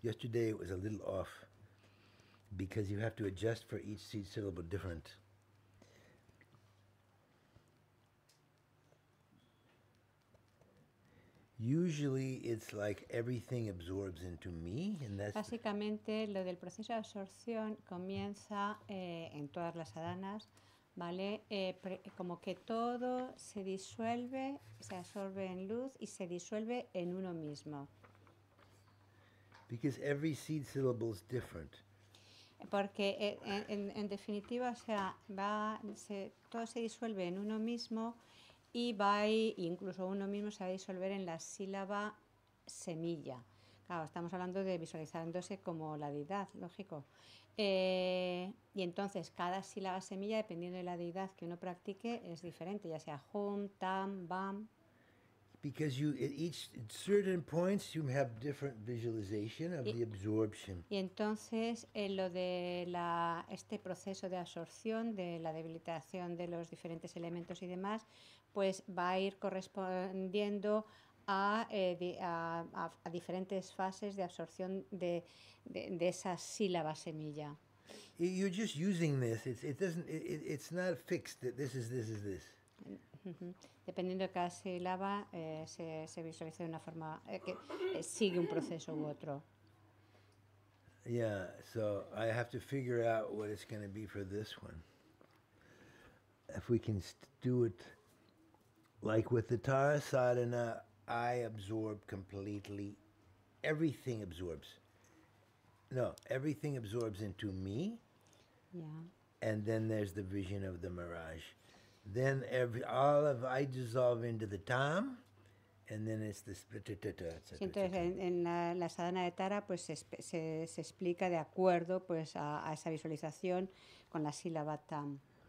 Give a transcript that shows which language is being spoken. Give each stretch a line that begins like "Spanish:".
English: Yesterday it was a little off because you have to adjust for each seed syllable different. Usually it's like everything absorbs into me, and that's
Spanish: básicamente lo del proceso de absorción comienza en todas las sadanas, ¿vale? Como que todo se disuelve, se absorbe en luz y se disuelve en uno mismo.
English: Because every seed syllable is different.
Spanish: Porque en definitiva, o sea, todo se disuelve en uno mismo. Y va ahí, incluso uno mismo se va a disolver en la sílaba semilla. Claro, estamos hablando de visualizándose como la deidad, lógico. Y entonces, cada sílaba semilla, dependiendo de la deidad que uno practique, es diferente, ya sea hum, tam, bam.
English: Because you, at each certain points, you have different visualization of the absorption.
Spanish: Y entonces, lo de este proceso de absorción, de la debilitación de los diferentes elementos y demás, pues va a ir correspondiendo a diferentes fases de absorción de esa sílaba semilla.
English: You're just using this. It's not fixed. This is.
Spanish: Dependiendo de cada sílaba, se visualiza de una forma que sigue un proceso u otro.
English: Yeah, so I have to figure out what it's going to be for this one. If we can do it like with the Tara Sadhana, I absorb completely. Everything absorbs. No, everything absorbs into me. Yeah. And then there's the vision of the mirage. Then I dissolve into the tam, and then it's the spitatata.
Spanish: Sí, entonces en la sadhana de Tara, pues se explica de acuerdo, pues a esa visualización con la sílaba tam.